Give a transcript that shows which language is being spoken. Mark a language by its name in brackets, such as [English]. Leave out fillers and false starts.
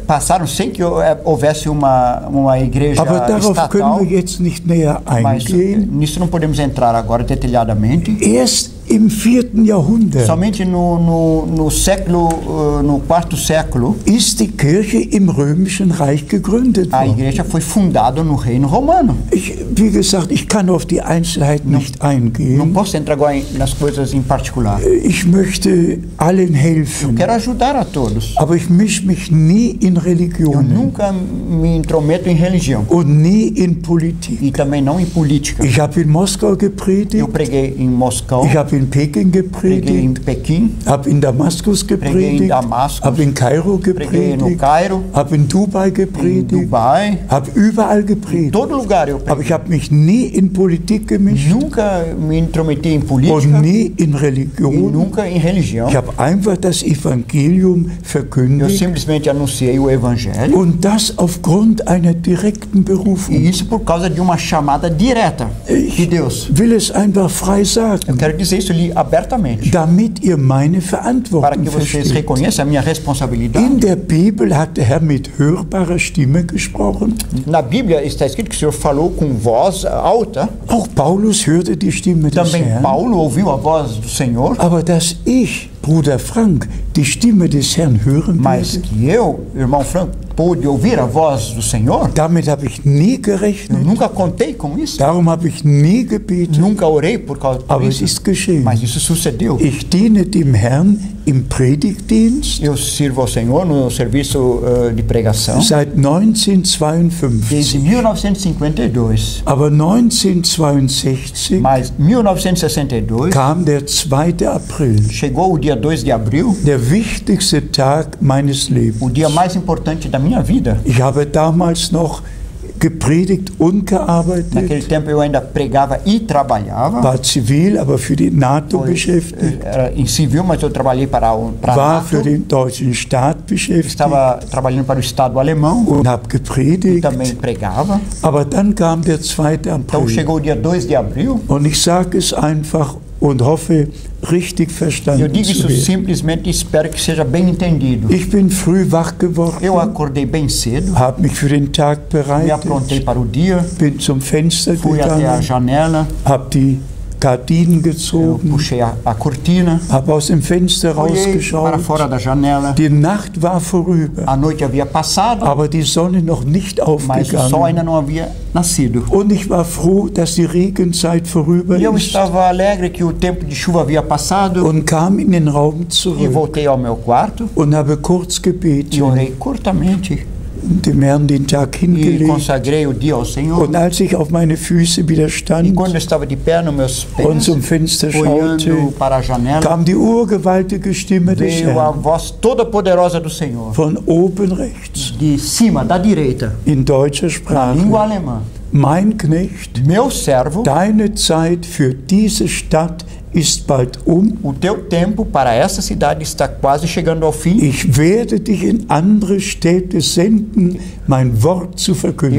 [Portuguese] Passaram sem que houvesse uma igreja [German] aber darauf [Portuguese] estatal, [German] können wir jetzt nicht näher eingehen. [Portuguese] Nisso não podemos entrar agora detalhadamente. [German] Erst im 4. Jahrhundert. [Portuguese] Somente no século, no 4. Século. [German] Ist die Kirche im Römischen Reich gegründet worden. [Portuguese] A igreja foi fundada no Reino Romano. [German] Ich, wie gesagt, ich kann auf die Einzelheiten nicht eingehen. [Portuguese] Não posso entrar agora nas coisas em particular. [German] Ich möchte allen helfen. [Portuguese] Eu quero ajudar a todos. [German] Aber ich misch mich nie in Religionen. [Portuguese] Eu nunca me intrometo em religião. [German] Und nie in Politik. [Portuguese] E também não em política. [German] Ich habe in Moskau gepredigt. [Portuguese] Eu preguei em Moskau. [German] Ich habe in Peking gepredigt, habe in Damaskus gepredigt, habe in Kairo gepredigt, habe in Dubai gepredigt, habe überall gepredigt. Aber ich habe mich nie in Politik gemischt [Portuguese] nunca me intrometi in Politica, [German] und nie in Religion. [Portuguese] Nunca in Religion. [German] Ich habe einfach das Evangelium verkündigt. [Portuguese] Eu simplesmente anunciei o Evangelho. [German] Und das aufgrund einer direkten Berufung. [Portuguese] Isso por causa de uma chamada direta de Deus. [German] Ich will es einfach frei sagen. [Portuguese] Eu quero dizer isso lhe abertamente. [German] Damit ihr meine Verantwortung [Portuguese] para que vocês [German] versteht. [Portuguese] Reconheçam a minha responsabilidade. [German] In der Bibel hat der Herr mit hörbarer Stimme gesprochen. [Portuguese] Na Bíblia está escrito que o Senhor falou com voz alta. [German] Auch Paulus hörte die Stimme des [Portuguese] Também [German] Herrn. [Portuguese] Paulo ouviu a voz do Senhor. [German] Aber dass ich, Bruder Frank, die Stimme des Herrn hören [Portuguese] Mas [German] werde. [Portuguese] Que eu, irmão Frank, pôde ouvir a voz do Senhor. [German] Damit habe ich nie gerechnet. [Portuguese] Nunca contei com isso. [German] Darum habe ich nie gebetet. [Portuguese] Nunca orei por causa disso. [German] Aber es ist geschehen. [Portuguese] Mas isso sucedeu. [German] Ich diene dem Herrn im Predigtdienst. [Portuguese] Eu sirvo ao Senhor no serviço de pregação. [German] Seit 1952. [Portuguese] Desde 1952. [German] Aber 1962. [Portuguese] Mas 1962. [German] Kam der 2. April. [Portuguese] Chegou o dia 2 de abril. [German] Der wichtigste Tag meines Lebens. [Portuguese] O dia mais importante da minha vida. [German] Ich habe damals noch gepredigt und gearbeitet. [Portuguese] Naquele tempo eu ainda pregava e trabalhava. [German] War civil, aber für die NATO beschäftigt. [Portuguese] Era em civil, mas eu trabalhei para a NATO. [German] War für den deutschen Staat beschäftigt. [Portuguese] Estava trabalhando para o Estado alemão. [German] Und habe gepredigt. [Portuguese] E também pregava. [German] Aber dann kam der 2. April. [Portuguese] Então chegou o dia 2 de abril. [German] Und ich sage es einfach und hoffe, richtig verstanden [Portuguese] Eu digo isso simplesmente e espero que seja bem entendido. [German] Ich bin früh wach geworden, [Portuguese] eu acordei bem cedo. [German] Hab mich für den Tag bereitet, [Portuguese] me aprontei para o dia. [German] Bin zum Fenster [Portuguese] fui [German] gegangen, [Portuguese] até a janela. [German] Hab die Gardinen gezogen. [Portuguese] Eu puxei a cortina. [German] Hab aus dem Fenster rausgeschaut. [Portuguese] Para fora da janela. [German] Die Nacht war vorüber. [Portuguese] A noite havia passado. [German] Aber die Sonne noch nicht aufgegangen. [Portuguese] Mas o sol ainda não havia nascido. [German] Und ich war froh, dass die Regenzeit vorüber ist. [Portuguese] Eu estava alegre que o tempo de chuva havia passado. [German] Und kam in den Raum zurück. [Portuguese] E voltei ao meu quarto. [German] Und habe kurz gebetet. [Portuguese] E orei curtamente. [German] Dem Herrn den Tag hingelegt. [Portuguese] E consagrei o dia ao Senhor. [German] Und als ich auf meine Füße wieder stand, [Portuguese] e quando eu estava de pé nos meus pés, [German] und zum Fenster schaute, [Portuguese] para a janela, [German] kam die urgewaltige Stimme des Herrn. [Portuguese] A voz toda poderosa do Senhor. [German] Von oben rechts. [Portuguese] De cima, da direita. [German] In deutscher Sprache. [Portuguese] Na língua alemã. [German] Mein Knecht. [Portuguese] Meu servo. [German] Deine Zeit für diese Stadt ist bald um. [Portuguese] O teu tempo para essa cidade está quase chegando ao fim. [German] Ich werde dich in andere Städte senden, mein Wort zu verkünden.